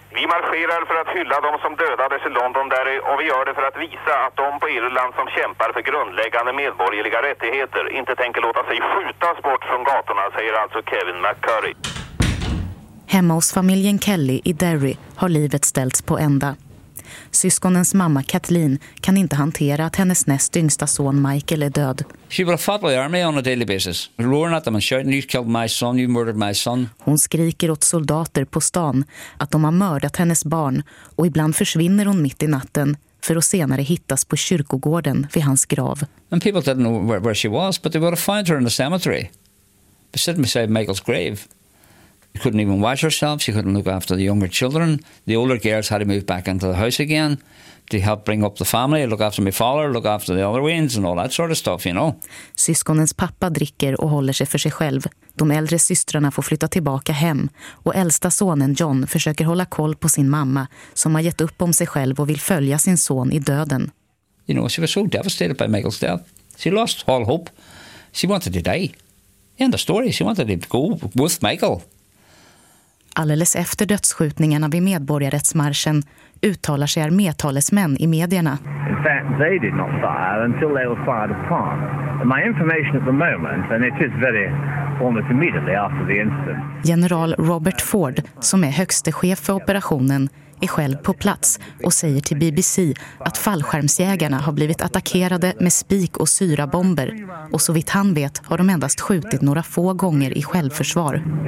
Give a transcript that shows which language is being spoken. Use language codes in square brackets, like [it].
[sv] Vi marscherar för att hylla de som dödades i London där, och vi gör det för att visa att de på Irland som kämpar för grundläggande medborgerliga rättigheter inte tänker låta sig skjutas bort från gatorna, säger alltså Kevin McCurry. Hemma hos familjen Kelly i Derry har livet ställts på ända. Syskonens mamma Kathleen kan inte hantera att hennes näst yngsta son Michael är död. [en] She will fight the army on a daily basis. Roaring at them and shouting, "You killed my son, you murdered my son." [sv] Hon skriker åt soldater på stan att de har mördat hennes barn, och ibland försvinner hon mitt i natten för att senare hittas på kyrkogården vid hans grav. [en] And people didn't know where she was, but they would have found her in the cemetery. But sitting beside Michael's grave. She couldn't even wash herself, she couldn't look after the younger children. The older girls had to move back into the house again to help bring up the family, look after my father, look after the other wains and all that sort of stuff, you know. [sv] Syskonens pappa dricker och håller sig för sig själv. De äldre systrarna får flytta tillbaka hem och äldsta sonen John försöker hålla koll på sin mamma som har gett upp om sig själv och vill följa sin son i döden. [en] You know, she was so devastated by Michael's death. She lost all hope. She wanted to die. End of story, she wanted to go with Michael. [sv] Alldeles efter dödsskjutningarna vid medborgarrättsmarschen uttalar sig armétalesmän i medierna. [en] In fact, they did not fire until they were fired upon. My information at the moment, and it is very almost immediately after the incident. [sv] General Robert Ford, som är högste chef för operationen, är själv på plats och säger till BBC att fallskärmsjägarna har blivit attackerade med spik- och syrabomber, och så vitt han vet har de endast skjutit några få gånger i självförsvar.